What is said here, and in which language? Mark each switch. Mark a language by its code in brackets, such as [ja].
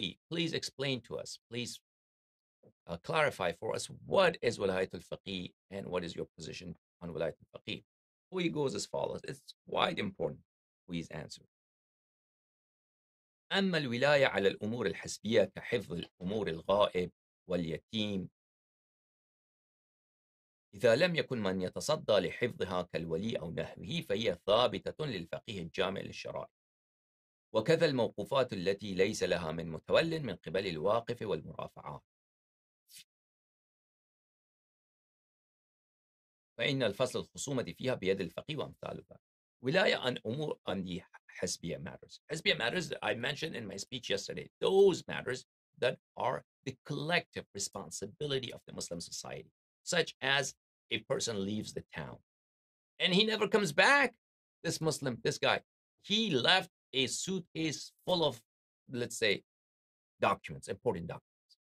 [en] Please explain to us, clarify for us, what is Wilayat al-Faqih and what is your position on Wilayat al-Faqih? Khu'i goes as follows. It's quite important, Khu'i's answer. [ar] أما الولاية على الأمور الحسبية كحفظ الأمور الغائب واليتيم إذا لم يكن من يتصدى لحفظها كالولي أو نحوه فهي ثابتة للفقيه الجامع للشرائع وكذا الموقوفات التي ليس لها من متول من قبل الواقف والمرافعات فإن الفصل الخصومة فيها بيد الفقيه وأمثاله ولاية عن أمور عن دي حسبية matters. [en] حسبية matters I mentioned in my speech yesterday. Those matters that are the collective responsibility of the Muslim society, such as a person leaves the town and he never comes back. This Muslim, this guy, he left a suitcase full of, let's say, documents, important documents.